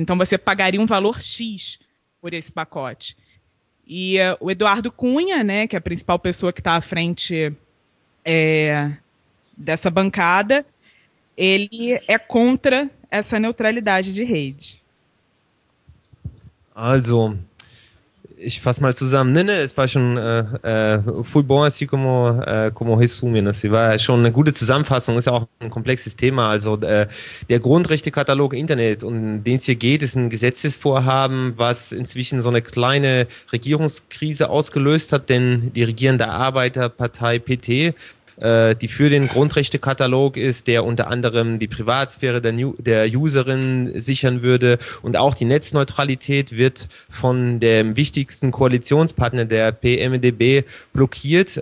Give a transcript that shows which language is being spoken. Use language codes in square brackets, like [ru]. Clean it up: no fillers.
[pt] Então, você pagaria um valor X por esse pacote. E o Eduardo Cunha, né, que é a principal pessoa que está à frente dessa bancada, ele é contra essa neutralidade de rede. [de] Also, ich fasse mal zusammen. Nee, es war schon [pt] foi bom assim como resumen. [de] Es war schon eine gute Zusammenfassung. Ist ja auch ein komplexes Thema. Also der Grundrechtekatalog Internet, um den es hier geht, ist ein Gesetzesvorhaben, was inzwischen so eine kleine Regierungskrise ausgelöst hat, denn die regierende Arbeiterpartei PT, die für den Grundrechtekatalog ist, der unter anderem die Privatsphäre der Userin sichern würde und auch die Netzneutralität wird von dem wichtigsten Koalitionspartner der PMDB blockiert.